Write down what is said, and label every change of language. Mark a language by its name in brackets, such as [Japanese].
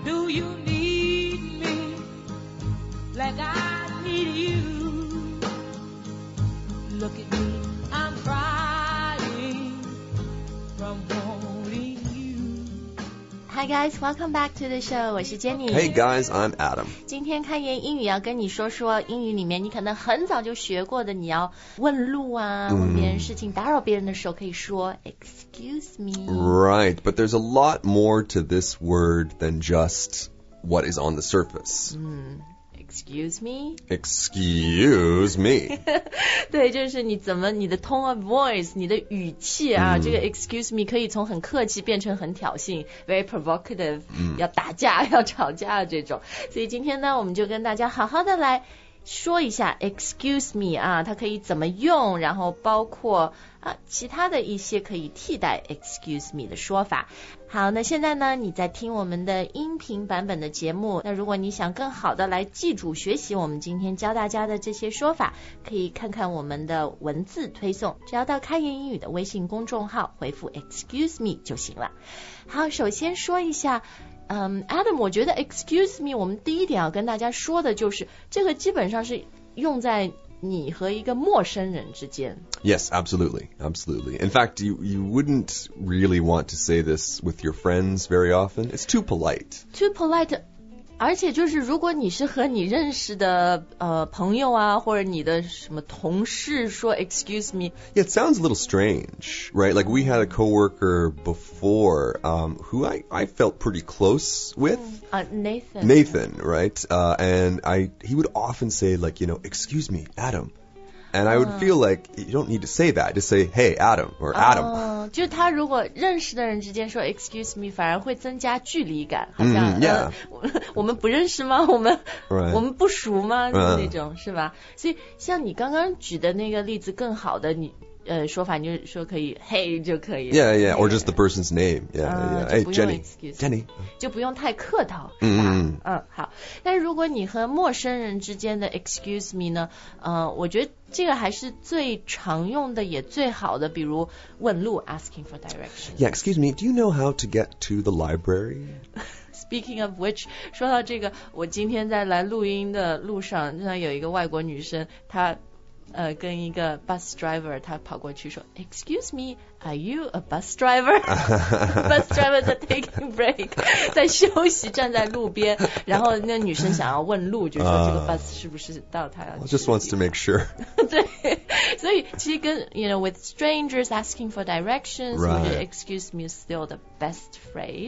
[English] you need me like I need you. Look at me, I'm crying from holding you. Hi guys, welcome back to the show. [Chinese] 我是 Jenny. [English] Hey guys, I'm Adam. [Chinese] 今天开言英语要跟你说说英语里面你可能很早就学过的，你要问路啊，问别人事情，打扰别人的时候可以说 Excuse me. [English] Right, but there's a lot more to this word than just what is on the surface. Excuse me? Excuse me. [Chinese] 对，就是你怎么，你的 [English] tone of voice, [Chinese] 你的语气啊、这个 excuse me 可以从很客气变成很挑衅， [English] very provocative,、 [Chinese] 要打架，要吵架这种。所以今天呢，我们就跟大家好好的来说一下 excuse me 啊，它可以怎么用，然后包括啊其他的一些可以替代 excuse me 的说法。好，那现在呢你在听我们的音频版本的节目，那如果你想更好的来记住学习我们今天教大家的这些说法，可以看看我们的文字推送，只要到开言英语的微信公众号回复 excuse me 就行了。好，首先说一下Adam, 我觉得 excuse me, 我们第一点要跟大家说的就是这个基本上是用在你和一个陌生人之间。 [English] Yes, absolutely, absolutely. In fact, you wouldn't really want to say this with your friends very often. It's too polite. Too polite. [Chinese] 而且就是如果你是和你认识的朋友啊，或者你的什么同事说 excuse me. [English] Yeah, it sounds a little strange, right? Like we had a coworker before, who I felt pretty close with. Nathan, right? And he would often say like, you know, excuse me, Adam. And I would feel like you don't need to say that. Just say, hey, Adam, or Adam. [Chinese] 就他如果认识的人之间说 excuse me, 反而会增加距离感。好像 我们不认识吗？我们不熟吗？那种是吧？所以像你刚刚举的那个例子更好的说法，你就说可以 hey 就可以了。 [English] Yeah, yeah, or just the person's name. Yeah, yeah. Hey, Jenny. Jenny. [Chinese] 就不用太客套。好。但如果你和陌生人之间的 excuse me 呢，我觉得这个还是最常用的也最好的，比如问路 [English] asking for directions. Yeah, excuse me, do you know how to get to the library? Speaking of which, [Chinese] 说到这个，我今天在来录音的路上，那有一个外国女生，她跟一个 bus driver, 她跑过去说 excuse me, [English] are you a bus driver? [Chinese] Bus driver 在 [English] taking break, [Chinese] 在休息，站在路边，然后那女生想要问路，就说这个 bus 是不是到她要去。 [English] Just wants to make sure. [Chinese] 对，所以其实跟 [English] you know, with strangers asking for directions, [Chinese] 我觉得 [English] excuse me is still the best phrase.